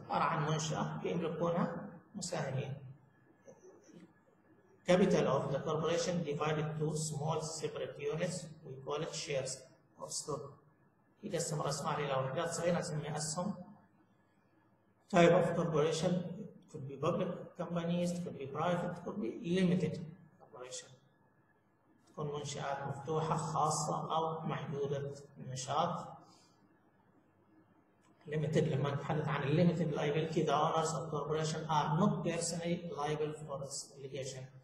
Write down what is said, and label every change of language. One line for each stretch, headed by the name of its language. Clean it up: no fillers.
Arabic: عبارة عن منشأة بيملكونها مساهمين.
English: Capital of the corporation divided to small separate units, we call it shares or stock.
Arabic: يقسم رأسمال إلى وحدات صغيرة نسميها أسهم.
English: Type of corporation could be public companies, could be private, could be limited corporation.
Arabic: تكون منشآت مفتوحة خاصة أو محدودة النشاط.
English: Limited
Arabic: لما نتحدث عن
English: limited liability, the owners of corporation are not personally liable for this litigation.